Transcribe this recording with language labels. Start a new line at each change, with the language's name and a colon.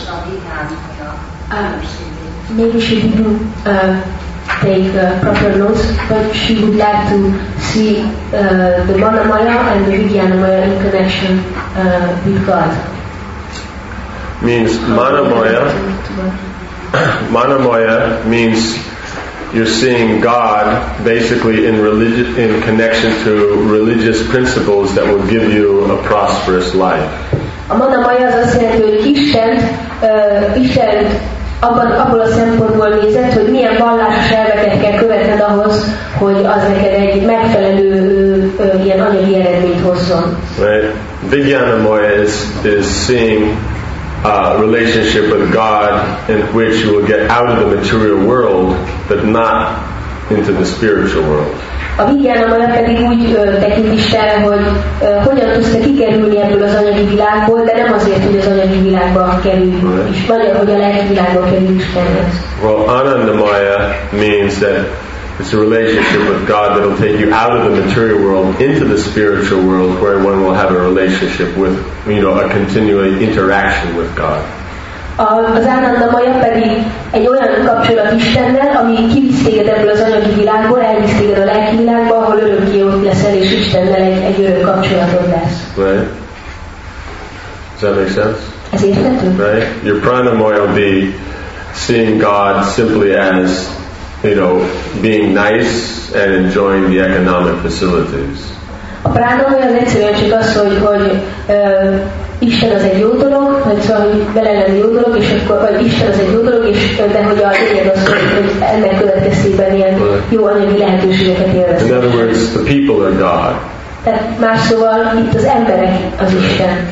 English: Maybe she didn't take proper notes, but she would like to see the Manamaya and the Vijnanamaya in connection with God. Means Manamaya. Manamaya means you're seeing God basically in religious, in connection to religious principles that will give you a prosperous life.
Hungarian: A Manamaya az azt jelenti, hogy Istent, Istent abból a szempontból nézett, hogy milyen vallásos elveket kell követned ahhoz, hogy az neked egy megfelelő ilyen anyagi eredményt hozzon.
English: Right. Vijnanamaya is seeing a relationship with God in which you will get out of the material world, but not into the spiritual world.
Hungarian: A Vijnanamaya pedig úgy tekint Istenre, hogy hogyan tudsz te kikerülni ebből az anyagi világból, de nem azért, hogy az anyagi világban kerülünk is, vagy a lelki világba kerülünk is kerülünk.
English: Well, Anandamaya means that it's a relationship with God that will take you out of the material world into the spiritual world, where one will have a relationship with, you know, a continual interaction with God.
Hungarian: Az Anandamaya pedig egy olyan kapcsolat Istennel, ami kivisz téged ebből az anyagi világból, elvisz téged a lelki világba, ahol örökké ott leszel, és Istennel egy örök kapcsolatod lesz.
English: Right. Does that make sense?
Hungarian: Ez érthető?
English: Right. Your pranamaya will be seeing God simply as, you know, being nice and enjoying the economic facilities.
Hungarian: A pranamaya az egyszerűen csak az, hogy Isten az egy jó dolog, vagy szóval, hogy vele lenni jó dolog, és akkor, vagy Isten az egy jó dolog, és de hogy a lényeg az, hogy ennek következtében ilyen jó anyagi lehetőségeket élvezik.
English: In other words, the people are God.
Hungarian: Tehát más szóval, itt az emberek az Isten.